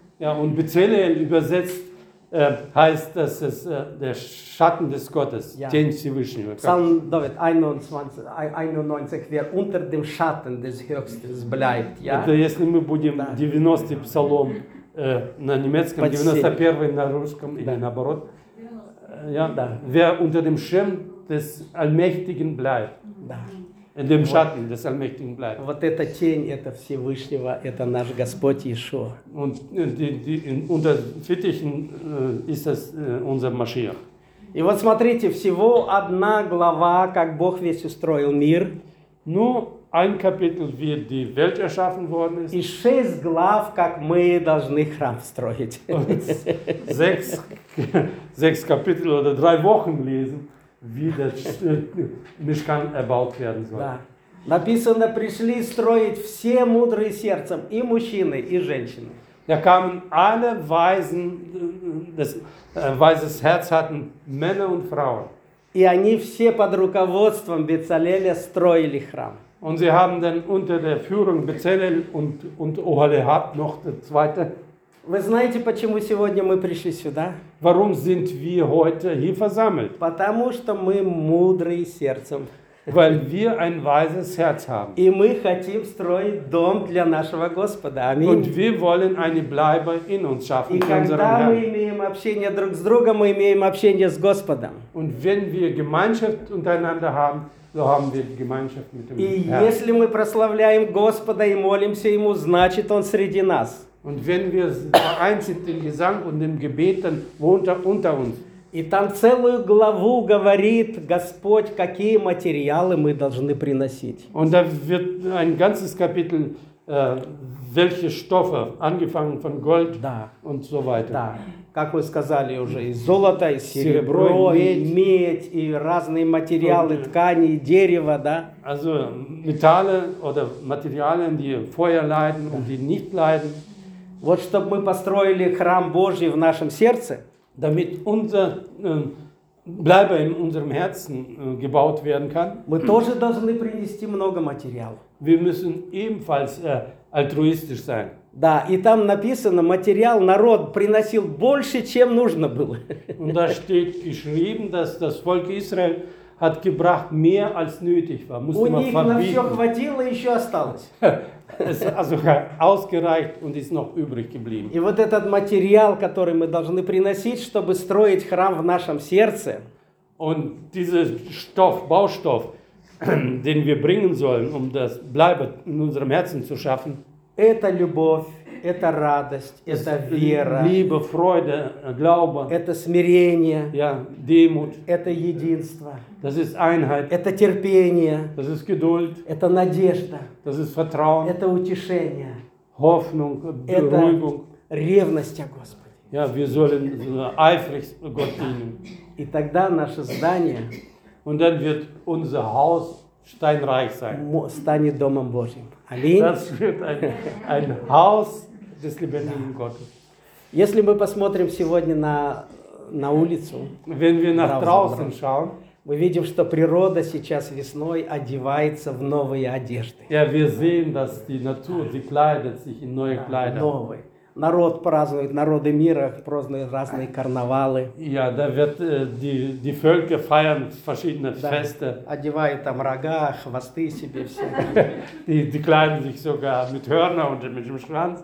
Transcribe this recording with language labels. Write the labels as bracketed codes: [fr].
[de] Ja, und Bezalel übersetzt heißt, dass es der Schatten des Gottes, den Sie wünschen. Psalm David 91, wer unter dem Schatten des Höchsten bleibt. Ja? [ru] Это если мы будем 90-й Псалом на немецком, 91-й на русском или наоборот. Ja? Да. [de] Wer unter dem Schirm des Allmächtigen bleibt. Да. In dem Schatten des Allmächtigen bleibt. [ru] Вот эта тень, это Всевышнего, это наш Господь Иешуа. [de] Und unter Fittichen ist das unser Машиах. [ru] И вот смотрите, всего одна глава, как Бог весь устроил мир. [de] Nur ein Kapitel, wie die Welt erschaffen worden ist. [ru] И шесть глав, как мы должны храм строить. [de] Und sechs Kapitel oder drei Wochen lesen. Wie der Mishkan erbaut werden soll. Да. [ru] Написано, пришли строить все мудрые сердцем, и мужчины, и женщины. [de] Da kamen alle Weisen, das weises Herz hatten, Männer und Frauen. [ru] И они все под руководством Бецалеля строили храм. [de] Und sie haben dann unter der Führung Bezalel und Oholiab noch der zweite. [ru] Вы знаете, почему сегодня мы пришли сюда? [de] Warum sind wir heute hier versammelt? [ru] Потому что мы мудрые сердцем. [de] Weil wir ein weises Herz haben. [ru] И мы хотим строить дом для нашего Господа. Аминь. [de] Und wir wollen eine Bleibe in uns schaffen, für unseren Herrn. [ru] И когда мы имеем общение друг с другом, мы имеем общение с Господом. [de] Und wenn wir Gemeinschaft untereinander haben, so haben wir die Gemeinschaft mit dem [ru] и [de] Herrn. [ru] Если мы прославляем Господа и молимся Ему, значит Он среди нас. [de] Und wenn wir vereint sind im Gesang und im Gebet, dann wohnt er unter uns. [ru] И там целую главу говорит Господь, какие материалы мы должны приносить. [de] Und da wird ein ganzes Kapitel, welche Stoffe, angefangen von Gold да. Und so weiter. Да. [ru] Как вы сказали уже, и золото, и серебро, серебро и медь, и разные материалы, und, ткани, и дерево, да? [de] Also металлы, oder Materialien, die Feuer leiden und die nicht leiden. [ru] Вот чтобы мы построили храм Божий в нашем сердце, [de] damit unser Bleibe in unserem Herzen gebaut werden kann, [ru] мы тоже должны принести много материала. [de] Wir müssen ebenfalls altruistisch sein. [ru] Да, и там написано, материал народ приносил больше, чем нужно было. [de] Und da steht geschrieben, dass das Volk Israel hat gebracht mehr als nötig war. [ru] Musste у них на все хватило, еще осталось. [de] Es ist also ausgereicht und ist noch übrig geblieben. [ru] И вот этот материал, который мы должны приносить, чтобы строить храм в нашем сердце. [de] Und dieser Stoff, Baustoff, den wir bringen sollen, um das Bleibe in unserem Herzen zu schaffen. [ru] Это любовь, это радость, это вера. [de] Liebe, Freude, Glaube. [ru] Это смирение. [de] Ja, Demut. [ru] Это единство. [de] Das ist Einheit. [ru] Это терпение. [de] Das ist Geduld. [ru] Это надежда. [de] Das ist Vertrauen. [ru] Это утешение. [de] Hoffnung, Beruhigung. [ru] Это ревность о Господе. [de] Ja, wir sollen eifrig Gott dienen. [ru] И тогда наше здание. [de] Und dann wird unser Haus steinreich sein. [ru] Станет домом Божьим. [de] Das wird ein Haus des lebendigen Gottes. [ru] Если мы посмотрим сегодня на улицу, [de] wenn wir nach draußen schauen, [ru] мы видим, что природа сейчас весной одевается в новые одежды. [de] Ja, wir sehen, dass die Natur, sie kleidet sich in neue Kleider. [ru] Новые. Народ празднует, народы мира празднуют разные карнавалы. [de] Ja, da wird die Völker feiern verschiedene Feste. [ru] Одевают там рога, хвосты себе все. [de] Die kleiden sich sogar mit Hörnern und mit dem Schwanz.